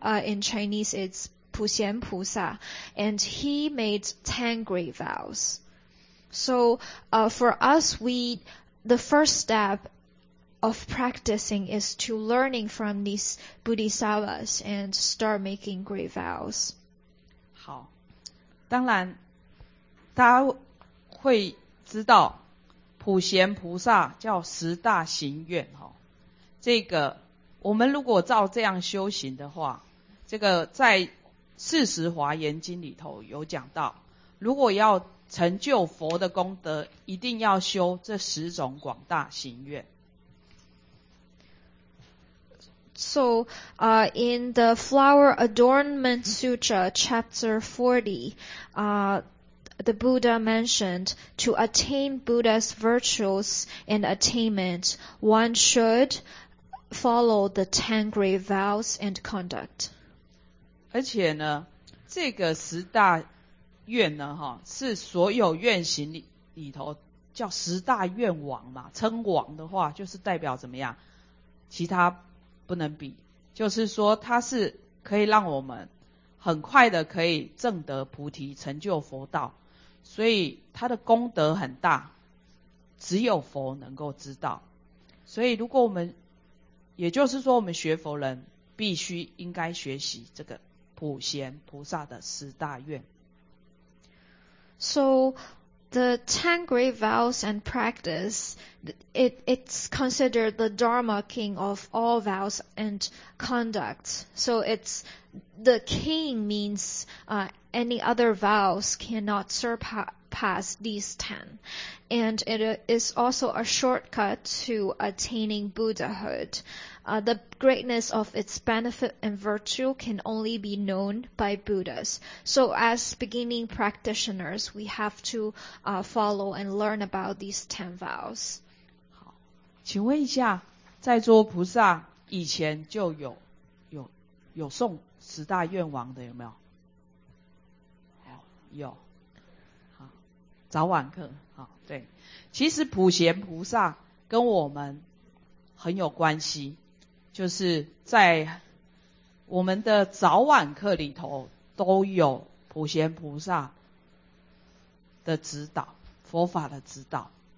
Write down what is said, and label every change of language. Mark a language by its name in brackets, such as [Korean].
[English] In Chinese, it's Puxian Pusa. And he made 10 great vows. So for us, the first step of practicing is to learning from these bodhisattvas and start making great vows. [Chinese] 好，当然，大家会知道普贤菩萨叫十大行愿哈。这个我们如果照这样修行的话，这个在《四十华严经》里头有讲到，如果要成就佛的功德，一定要修这十种广大行愿。 [English] So, in the Flower Adornment Sutra, Chapter 40, the Buddha mentioned, to attain Buddha's virtues and attainment, one should follow the 10 great vows and conduct. [Chinese] 而且呢，这个十大愿呢，哈，是所有愿行里头叫十大愿王嘛，称王的话，就是代表怎么样，其他不能比，就是说它是可以让我们很快的可以证得菩提，成就佛道，所以它的功德很大，只有佛能够知道。所以如果我们，也就是说我们学佛人必须应该学习这个普贤菩萨的十大愿。 [English] SoThe 10 great vows and practice, it's considered the Dharma king of all vows and conducts. So it's the king means any other vows cannot surpass these 10. And it is also a shortcut to attaining Buddhahood. The greatness of its benefit and virtue can only be known by Buddhas. So as beginning practitioners, we have to follow and learn about these 10 vows. [Chinese] 好，请问一下，在座菩萨以前就有送十大愿王的有没有？有，好，早晚课，好，对，其实普贤菩萨跟我们很有关系，就是在我们的早晚课里头都有普贤菩萨的指导，佛法的指导。